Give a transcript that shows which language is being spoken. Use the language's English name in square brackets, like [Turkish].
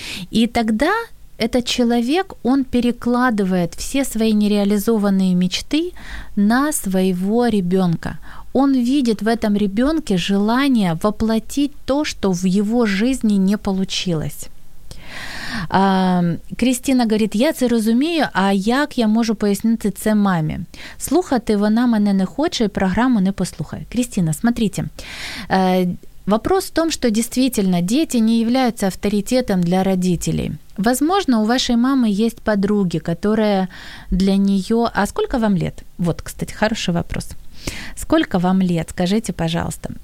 [Russian] И тогда этот человек, он перекладывает все свои нереализованные мечты на своего ребенка. Он видит в этом ребенке желание воплотить то, что в его жизни не получилось. Кристина говорит: [Ukrainian] «Я це розумію, а як я можу пояснити це мамі? Слухати вона мене не хоче, програму не послухає». [Russian] Кристина, смотрите. Вопрос в том, что действительно дети не являются авторитетом для родителей. Возможно, у вашей мамы есть подруги, которые для нее... А сколько вам лет? Вот, кстати, хороший вопрос. Сколько вам лет, скажите, пожалуйста.